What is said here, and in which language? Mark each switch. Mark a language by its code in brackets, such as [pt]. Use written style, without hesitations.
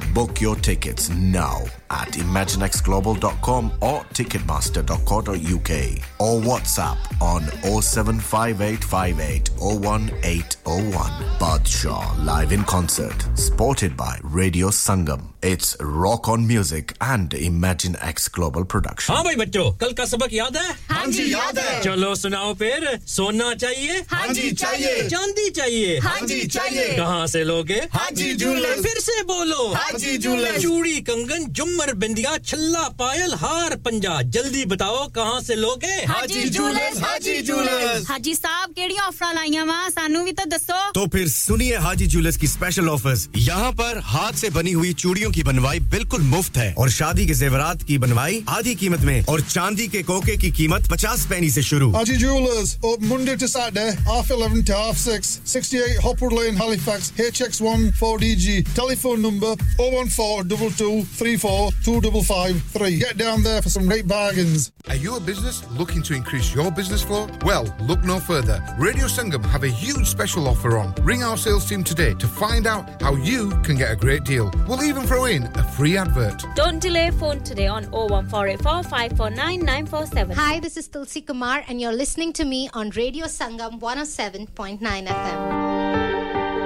[en] Book your tickets now at imaginexglobal.com or ticketmaster.co.uk or WhatsApp on 07585801801. Badshah live in concert, supported by Radio Sangam. It's rock on music and Imagine X Global production. [hi] हाँ भाई बच्चों, कल का सबक याद है? हाँ जी याद है. चलो सुनाओ फिर. सोना चाहिए? हाँ जी चाहिए. चांदी चाहिए? हाँ जी चाहिए. कहाँ से लोगे? हाँ जी जूलर. फिर से बोलो. हाँ जी जूलर. चूड़ी, कंगन, झुमर, बिंदिया, छल्ला, पायल, हार, पंजा. जल्दी बताओ कहाँ से लोगे? हाँ जी जूलर. हाँ जी जूलर. [pa] हाँ जी साहब, केड़ी ऑफर लाइया वहाँ सानू भी तो दसो. [hi] तो फिर सुनिए हाजी ज्वेलर्स की स्पेशल ऑफर्स. यहाँ पर हाथ से बनी हुई चूड़ियों की बनवाई बिल्कुल मुफ्त है और शादी के जेवरात की बनवाई आधी कीमत में और चांदी के कोके की कीमत 50 पैनी से शुरू. [en] Haji jewellers, open Monday to Saturday half 11 to half 6, 68 Hopwood lane, Halifax, HX1 4DG. Telephone number 01422342553. Get down there for some great bargains. Are you a business looking to increase your business flow? Well, look no further. Radio Sangam have a huge special offer on. Ring our sales team today to find out how you can get a great deal. We'll even throw in a free advert. Don't delay, phone today on 01484549947. Hi, this is Tulsi Kumar and you're listening to me on Radio Sangam 107.9 FM.